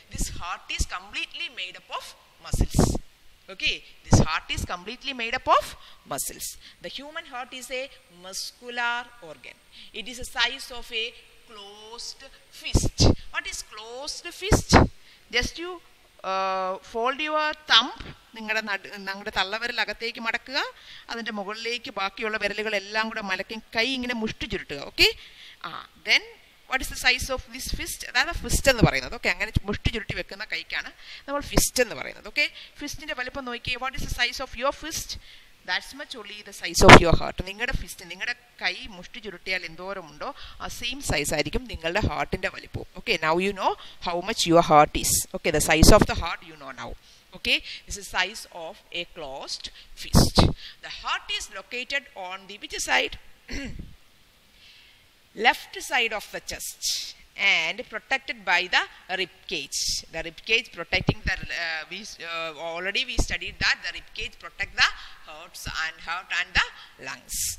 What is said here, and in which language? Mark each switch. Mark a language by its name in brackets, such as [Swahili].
[English] This heart is completely made up of muscles. Okay, this heart is completely made up of muscles. The human heart is a muscular organ. It is the size of a closed fist. What is closed fist? Just you fold your thumb. [Malayalam] നിങ്ങളുടെ തള്ളവിരൽ അകത്തേക്ക് മടക്കുക, അതിൻ്റെ മുകളിലേക്ക് ബാക്കിയുള്ള വിരലുകൾ എല്ലാം കൂടെ മലക്കി കൈ ഇങ്ങനെ മുഷ്ടി ചുരുട്ടുക. [English] Okay, ah then what is the size of this fist? [Malayalam] അതായത് ഫിസ്റ്റ് എന്ന് പറയുന്നത്, ഓക്കെ, അങ്ങനെ മുഷ്ടി ചുരുട്ടി വെക്കുന്ന കൈക്കാണ് നമ്മൾ ഫിസ്റ്റ് എന്ന് പറയുന്നത്. [English] okay, [Malayalam] ഫിസ്റ്റിൻ്റെ വലിപ്പം നോക്കിയേ. [English] What is the size of your fist? That's much only the size of your heart. [Malayalam] നിങ്ങളുടെ ഫിസ്റ്റ്, നിങ്ങളുടെ കൈ മുഷ്ടി ചുരുട്ടിയാൽ എന്തോരം ഉണ്ടോ ആ സെയിം സൈസ് ആയിരിക്കും നിങ്ങളുടെ ഹാർട്ടിൻ്റെ വലിപ്പവും. [English] Okay, now you know how much your heart is. Okay, the size of the heart you know now. Okay, this is size of a closed fist. The heart is located on the which side? Left side of the chest and protected by the rib cage. The rib cage protecting the we studied that the rib cage protect the heart and the lungs.